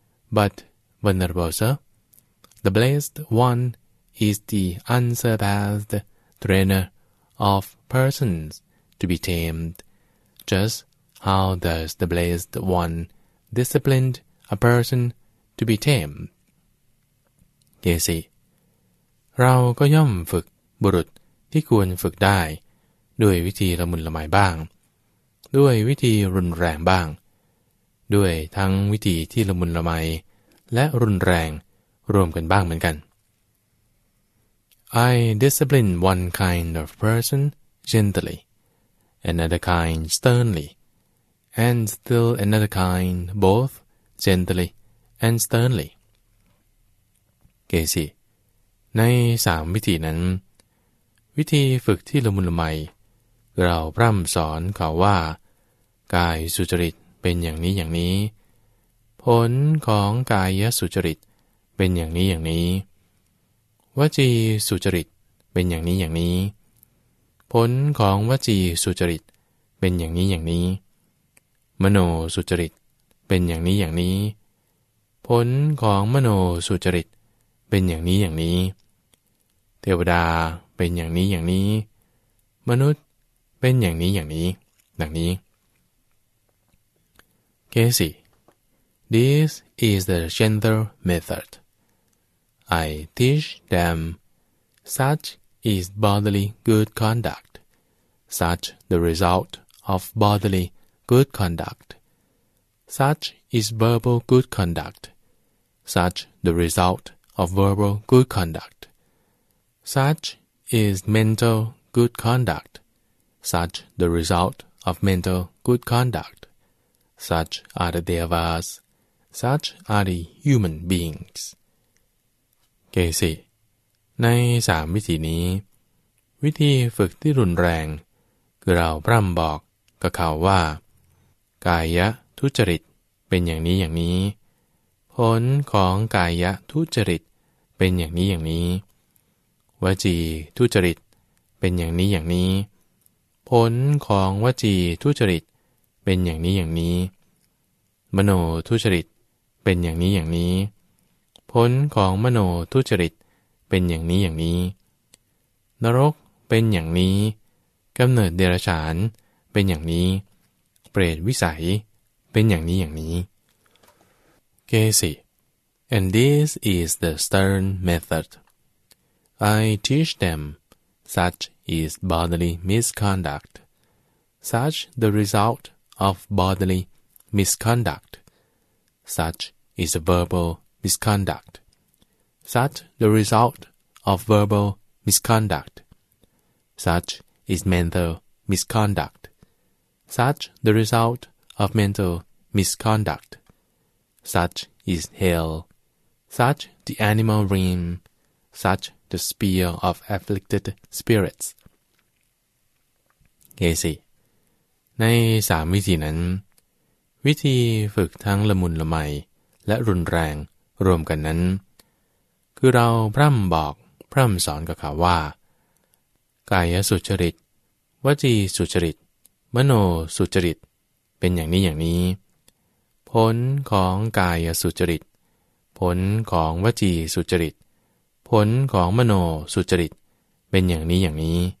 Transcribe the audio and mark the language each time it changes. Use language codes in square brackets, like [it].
[en] But, Venerable sir, the Blessed One is the unsurpassed trainer of persons to be tamed, justHow does the Blessed One discipline a person to be tamed? [th] เกสิเราก็ย่อมฝึกบุรุษที่ควรฝึกได้ด้วยวิธีละมุนละไมบ้างด้วยวิธีรุนแรงบ้างด้วยทั้งวิธีที่ละมุนละไมและรุนแรงรวมกันบ้างเหมือนกัน [en] I discipline one kind of person gently, another kind sternly. And still another kind, both gently and sternly. [th] Gesi, ในสามวิธีนั้นวิธีฝึกที่ละมุนละไมเราพร่ำสอนเขาว่ากายสุจริตเป็นอย่างนี้อย่างนี้ผลของกายสุจริต เป็นอย่างนี้อย่างนี้วจีสุจริตเป็นอย่างนี้อย่างนี้ผลของวจีสุจริตเป็นอย่างนี้อย่างนี้มโนสุจริตเป็นอย่างนี้อย่างนี้ผลของมโนสุจริตเป็นอย่างนี้อย่างนี้เทวดาเป็นอย่างนี้อย่างนี้มนุษย์เป็นอย่างนี้อย่างนี้ดังนี้เคสี [en] This is the gender method. I teach them such is bodily good conduct, such the result of bodily good conduct, such is verbal good conduct, such the result of verbal good conduct, such is mental good conduct, such the result of mental good conduct, such are the devas. Such are the human beings. [th] เกสิในสามวิธีนี้วิธีฝึกที่รุนแรงคือเราพร่ำบอกกับเขาว่ากายะทุจริตเป็นอย่างนี้อย่างนี้ผลของกายะทุจริตเป็นอย่างนี้อย่างนี้วจีทุจริตเป็นอย่างนี้อย่างนี้ผลของวจีทุจริตเป็นอย่างนี้อย่างนี้ มโนทุจริตเป็นอย่างนี้อย่างนี้ผลของมโนทุจริตเป็นอย่างนี้อย่างนี้นรกเป็นอย่างนี้กำเนิดเดรัจฉานเป็นอย่างนี้เปรตวิสัยเป็นอย่างนี้อย่างนี้เกสิ [en] And this is the stern method. I teach them such is bodily misconduct. Such the result of bodily misconduct. Such is verbal misconduct. Such the result of verbal misconduct. Such is mental misconduct. Such the result of mental misconduct. Such is hell. Such the animal realm. Such the sphere of afflicted spirits. [th] เกสิในสามวิธีนั้นวิธีฝึกทั้งละมุนละไมและรุนแรงรวมกันนั้นคือเราพร่ำบอกพร่ำสอนกับเขาว่ากายสุจริตวจีสุจริตมโนสุจริตเป็นอย่างนี้อย่างนี้ผลของกายสุจริตผลของวจีสุจริตผลของมโนสุจริตเป็นอย่างนี้อย่างนี้